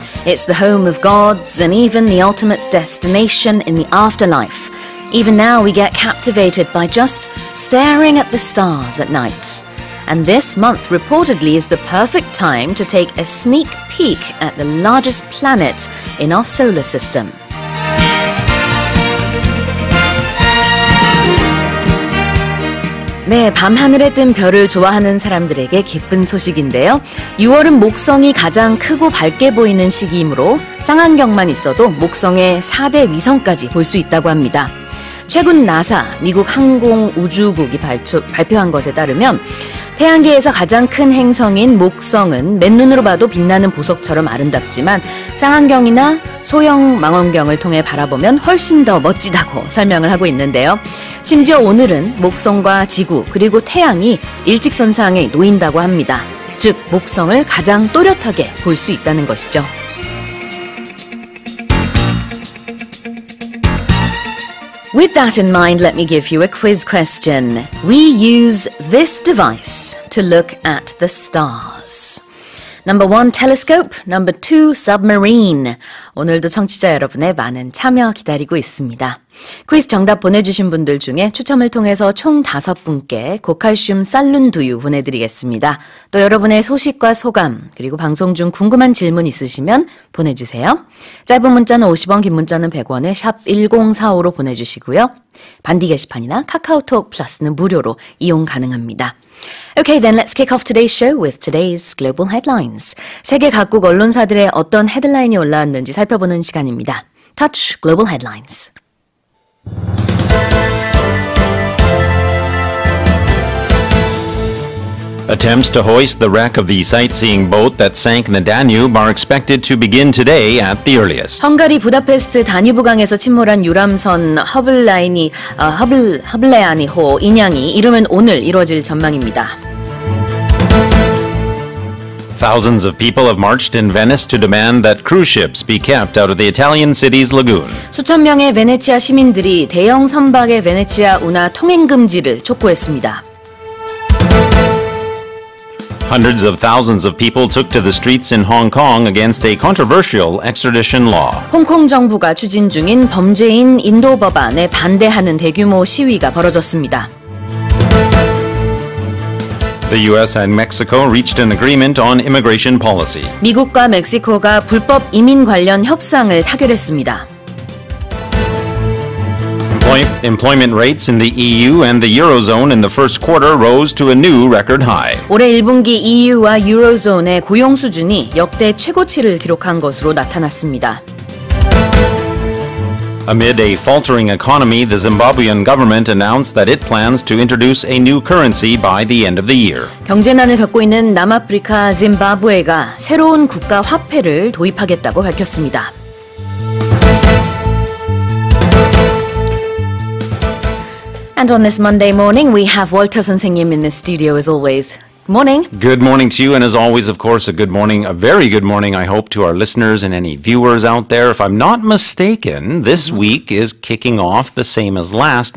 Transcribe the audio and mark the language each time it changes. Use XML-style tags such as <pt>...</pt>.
<en>It's the home of gods and even the ultimate destination in the afterlife. Even now, we get captivated by just staring at the stars at night. And this month reportedly is the perfect time to take a sneak peek at the largest planet in our solar system.</en> <ko>(목소리) 네, 밤하늘에 뜬 별을 좋아하는 사람들에게 기쁜 소식인데요. 6월은 목성이 가장 크고 밝게 보이는 시기이므로 쌍안경만 있어도 목성의 4대 위성까지 볼 수 있다고 합니다. 최근 나사, 미국 항공우주국이 발표한 것에 따르면 태양계에서 가장 큰 행성인 목성은 맨눈으로 봐도 빛나는 보석처럼 아름답지만 쌍안경이나 소형 망원경을 통해 바라보면 훨씬 더 멋지다고 설명을 하고 있는데요. 심지어 오늘은 목성과 지구 그리고 태양이 일직선상에 놓인다고 합니다. 즉, 목성을 가장 또렷하게 볼 수 있다는 것이죠.</ko> <en>With that in mind, let me give you a quiz question. We use this device to look at the stars. Number one, telescope. Number two, submarine.</en> <ko>오늘도 청취자 여러분의 많은 참여 기다리고 있습니다. 퀴즈 정답 보내주신 분들 중에 추첨을 통해서 총 다섯 분께 고칼슘 쌀룬두유 보내드리겠습니다. 또 여러분의 소식과 소감 그리고 방송 중 궁금한 질문 있으시면 보내주세요. 짧은 문자는 50원, 긴 문자는 100원에 샵1045로 보내주시고요. 반디 게시판이나 카카오톡 플러스는 무료로 이용 가능합니다.</ko> <en>Okay, then let's kick off today's show with today's global headlines.</en> <ko>세계 각국 언론사들의 어떤 헤드라인이 올라왔는지 살펴보는 시간입니다.</ko> <en>Touch Global Headlines. Attempts to hoist the wreck of the sightseeing boat that sank in the Danube are expected to begin today at the earliest.</en> <ko>헝가리 부다페스트 다뉴브강에서 침몰한 유람선 허블레아니호 인양이 이르면 오늘 이루어질 전망입니다.</ko> <en>Thousands of people have marched in Venice to demand that cruise ships be kept out of the Italian city's lagoon.</en> <ko>수천 명의 베네치아 시민들이 대형 선박의 베네치아 운하 통행 금지를 촉구했습니다.</ko> <en>Hundreds of thousands of people took to the streets in Hong Kong against a controversial extradition law.</en> <ko>홍콩 정부가 추진 중인 범죄인 인도 법안에 반대하는 대규모 시위가 벌어졌습니다.</ko> <en>The U.S. and Mexico reached an agreement on immigration policy.</en> <ko>미국과 멕시코가 불법 이민 관련 협상을 타결했습니다.</ko> <en>Employment rates in the EU and the Eurozone in the first quarter rose to a new record high.</en> <ko>올해 1분기 EU와 유로존의 고용 수준이 역대 최고치를 기록한 것으로 나타났습니다.</ko> <en>Amid a faltering economy, the Zimbabwean government announced that it plans to introduce a new currency by the end of the year.</en> <ko>경제난을 겪고 있는 남아프리카 짐바브웨가 새로운 국가 화폐를 도입하겠다고 밝혔습니다.</ko> <en>And on this Monday morning, we have Walter 선생님 in the studio as always. Morning. Good morning to you, and as always, of course, a good morning, a very good morning, I hope, to our listeners and any viewers out there. If I'm not mistaken, this week is kicking off the same as last.</en>